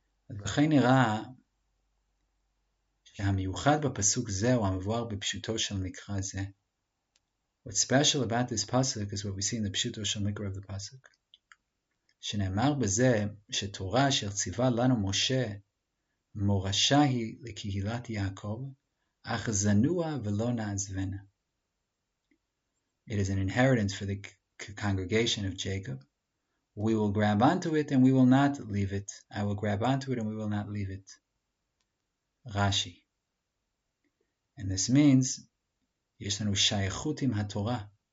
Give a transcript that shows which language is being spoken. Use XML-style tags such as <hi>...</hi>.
<he>אז לכן נראה שהמיוחד בפסוק זה הוא המבואר בפשוטו של מקרא זה.</he> <en>What's special about this pasuk is what we see in the</en> <he>פשוטו של מקרא</he> <en>of the pasuk.</en> <he>שנאמר בזה שתורה אשר ציווה לנו משה מורשה היא לקהילת יעקב, אך זנוע ולא נעזבנה.</he> <en>It is an inheritance for the congregation of Jacob. We will grab onto it and we will not leave it. I will grab onto it and we will not leave it. Rashi. And this means,</en> <he>יש לנו שייכות עם התורה.</he>